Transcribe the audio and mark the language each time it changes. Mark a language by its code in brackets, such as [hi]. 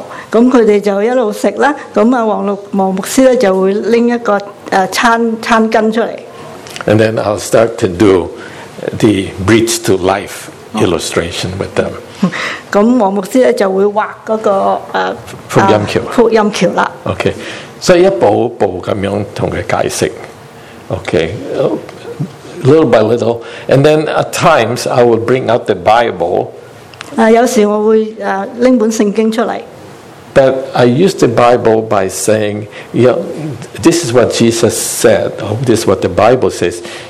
[yue] 咁佢哋就一路食啦，咁啊黃牧師咧就會拎一個餐巾出嚟。 [en] And then I'll start to do the bridge to life illustration with them. [yue] 咁黃牧師咧就會畫嗰個福音橋啦。Okay, 所以一步一步咁樣同佢解釋。 [en] Okay, little by little. And then at times I will bring out the Bible. But I use the Bible by saying, yeah, this is what Jesus said, or this is what the Bible says.